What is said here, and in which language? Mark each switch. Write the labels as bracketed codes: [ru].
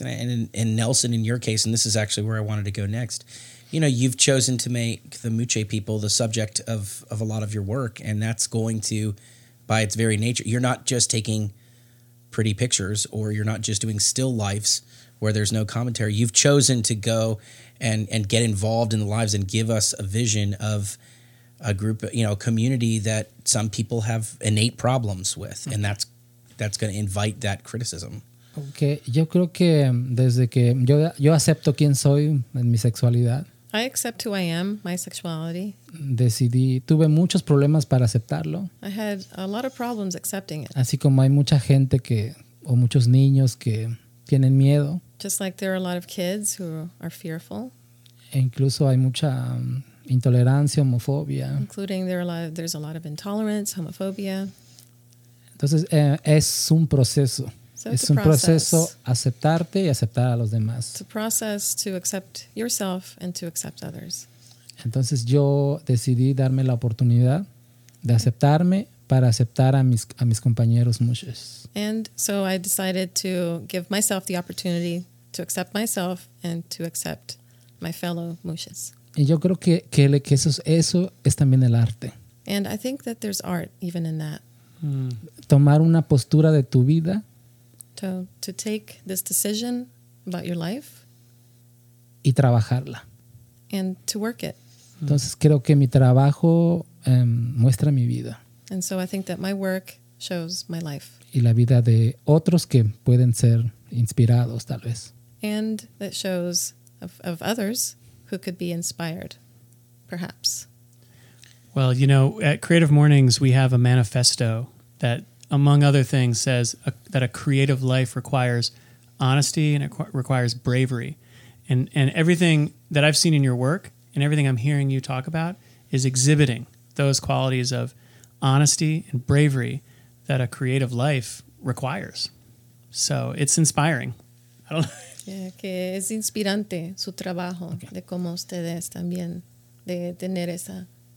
[en] And Nelson, in your case, and this is actually where I wanted to go next, you know, you've chosen to make the muxe people the subject of a lot of your work, and that's going to, by its very nature, you're not just taking pretty pictures or you're not just doing still lifes where there's no commentary. You've chosen to go and get involved in the lives and give us a vision of a group, you know, a community that some people have innate problems with. Okay. And that's going to invite that criticism. Okay. [es] Yo creo que desde que yo acepto quién soy en mi sexualidad. [en] I accept who I am, my sexuality. [es] Decidí, tuve muchos problemas para aceptarlo. [en] I had a lot of problems accepting it. [es] Así como hay mucha gente que, o muchos niños que tienen miedo. [en] Just like there are a lot of kids who are fearful. [es] E incluso hay mucha intolerancia, homofobia. [en] Including there's a lot of intolerance, homophobia. [es] Entonces es un proceso. [en] So [es] es un proceso aceptarte y aceptar a los demás. [en] It's a process to accept yourself and to accept others. [es] Entonces yo decidí darme la oportunidad de aceptarme para aceptar a mis compañeros muxes. [en] And so I decided to give myself the opportunity to accept myself and to accept my fellow muxes. [es] Y yo creo que eso es también el arte. [en] And I think that there's art even in that. [es] Tomar una postura de tu vida. [en] To take this decision about your life. [es] Y trabajarla. [en] And to work it. [es] Entonces creo que mi trabajo muestra mi vida. [en] And so I think that my work shows my life. [es] Y la vida de otros que pueden ser inspirados, tal vez. [en] And that shows of others who could be inspired, perhaps. Well, you know, at Creative Mornings, we have a manifesto that, among other things, says that a creative life requires honesty and it requires bravery. And everything that I've seen in your work and everything I'm hearing you talk about is exhibiting those qualities of honesty and bravery that a creative life requires. So it's inspiring. I don't know. [es] Yeah, que es inspirante su trabajo, okay, de cómo ustedes también, de tener esa